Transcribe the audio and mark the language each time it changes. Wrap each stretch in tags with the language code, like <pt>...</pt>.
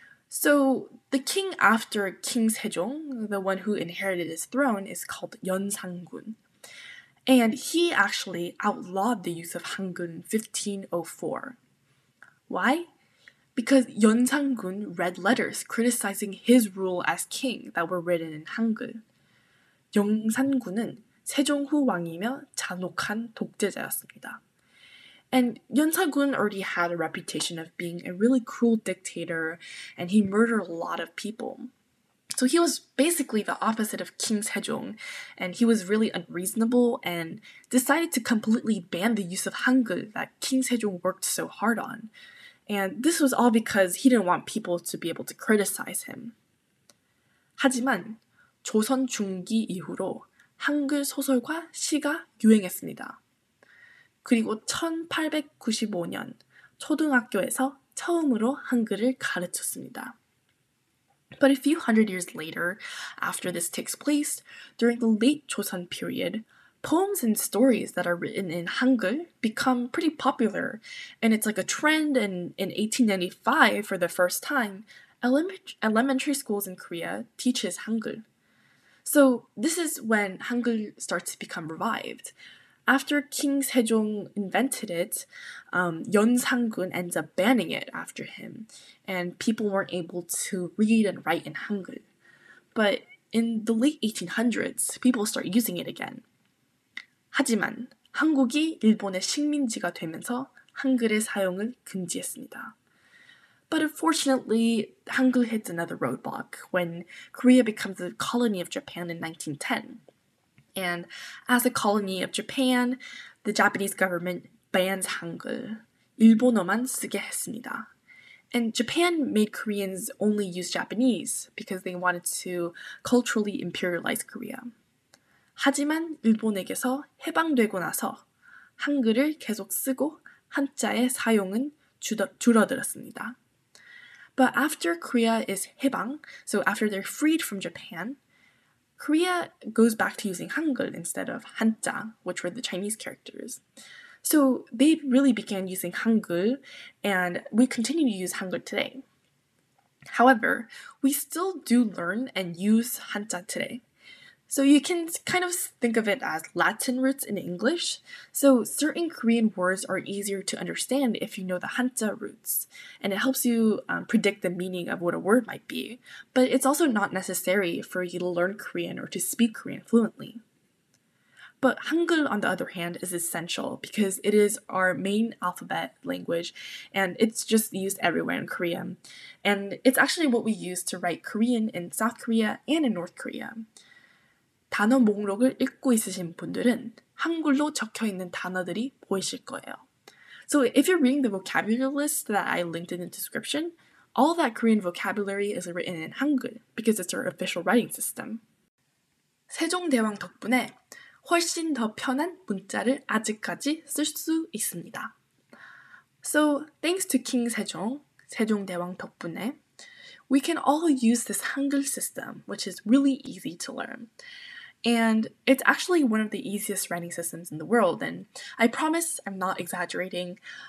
<en>So the king after King Sejong, the one who inherited his throne, is called 연산군. And he actually outlawed the use of Hangul in 1504. Why? Because 연산군 read letters criticizing his rule as king that were written in Hangul.</en> <ko>연산군은 세종 후 왕이며 잔혹한 독재자였습니다.</ko> <en>And 연산군 already had a reputation of being a really cruel dictator, and he murdered a lot of people. So he was basically the opposite of King Sejong, and he was really unreasonable and decided to completely ban the use of Hangul that King Sejong worked so hard on. And this was all because he didn't want people to be able to criticize him.</en> <ko>하지만 조선 중기 이후로 한글 소설과 시가 유행했습니다. 그리고 1895년 초등학교에서 처음으로 한글을 가르쳤습니다.</ko> <en>But a few hundred years later, after this takes place, during the late Joseon period, poems and stories that are written in Hangul become pretty popular, and it's like a trend. And in 1895, for the first time, elementary schools in Korea teaches Hangul. So this is when Hangul starts to become revived. After King Sejong invented it, Yeon Sang-gun ends up banning it after him, and people weren't able to read and write in Hangul. But in the late 1800s, people start using it again.</en> <ko>하지만 한국이 일본의 식민지가 되면서 한글의 사용을 금지했습니다.</ko> <en>But unfortunately, Hangul hits another roadblock when Korea becomes a colony of Japan in 1910. And as a colony of Japan, the Japanese government bans Hangul.</en> <ko>일본어만 쓰게 했습니다.</ko> <en>And Japan made Koreans only use Japanese because they wanted to culturally imperialize Korea.</en> <ko>하지만 일본에게서 해방되고 나서 한글을 계속 쓰고 한자의 사용은 줄어들었습니다.</ko> <en>But after Korea is 해방, so after they're freed from Japan, Korea goes back to using Hangul instead of Hanja, which were the Chinese characters. So they really began using Hangul, and we continue to use Hangul today. However, we still do learn and use Hanja today. So you can kind of think of it as Latin roots in English. So certain Korean words are easier to understand if you know the Hanja roots, and it helps you predict the meaning of what a word might be. But it's also not necessary for you to learn Korean or to speak Korean fluently. But Hangul, on the other hand, is essential because it is our main alphabet language, and it's just used everywhere in Korea. And it's actually what we use to write Korean in South Korea and in North Korea.</en> <ko>단어 목록을 읽고 있으신 분들은 한글로 적혀 있는 단어들이 보이실 거예요.</ko> <en>So if you're reading the vocabulary list that I linked in the description, all that Korean vocabulary is written in Hangul because it's our official writing system.</en> <ko>세종대왕 덕분에 훨씬 더 편한 문자를 아직까지 쓸 수 있습니다.</ko> <en>So thanks to King Sejong,</en> <ko>세종대왕 덕분에,</ko> <en>we can all use this Hangul system, which is really easy to learn. And it's actually one of the easiest writing systems in the world, and I promise I'm not exaggerating.</en>